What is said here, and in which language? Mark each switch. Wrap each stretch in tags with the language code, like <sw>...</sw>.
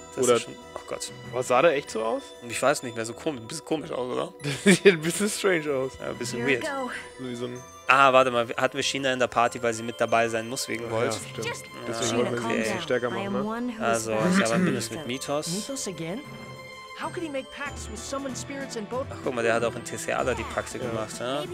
<de>Oder schon, oh Gott. Was sah da echt so aus? Ich weiß nicht mehr, so komisch. Ein bisschen komisch aus, oder? Ein bisschen strange aus. Ja, ein bisschen weird. So wie so ein... Ah, warte mal. Hatten wir Sheena in der Party, weil sie mit dabei sein muss wegen Volt? Ja, stimmt. Deswegen wollen wir sie ein bisschen stärker machen, ne? Also, ich habe ein Bündnis mit Mythos.</de> <en>Mythos again? How could he make pacts with summoned spirits in both?</en> <de>Ach, guck mal, der hat auch in Tissiada die Pakte gemacht, ne?</de>